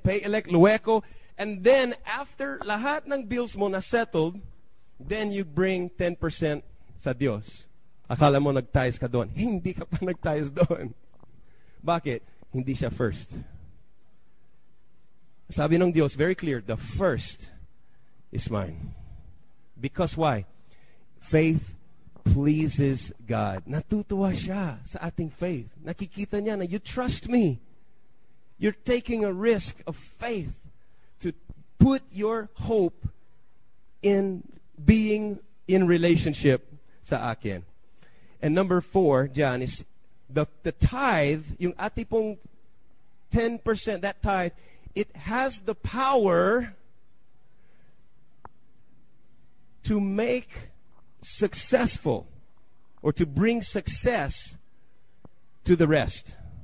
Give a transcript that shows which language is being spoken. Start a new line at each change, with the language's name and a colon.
English: Pay lueko. And then after
Filipino: lahat ng
English: bills mo na settled, then you bring 10% sa Diyos.
Filipino: Akala mo nag-tithes ka doon. Hindi ka pa nag-tithes doon. Bakit? Hindi siya first. Sabi ng Diyos,
English: very clear, the first is mine. Because why? Faith pleases God.
Filipino: Natutuwa siya sa ating faith. Nakikita niya na,
English: you trust me. You're taking a risk of faith to put your hope in being in relationship
Filipino: sa akin.
English: And number 4, John, is the tithe,
Filipino: yung atipong
English: 10%, that tithe, it has the power to make successful or to bring success to the rest.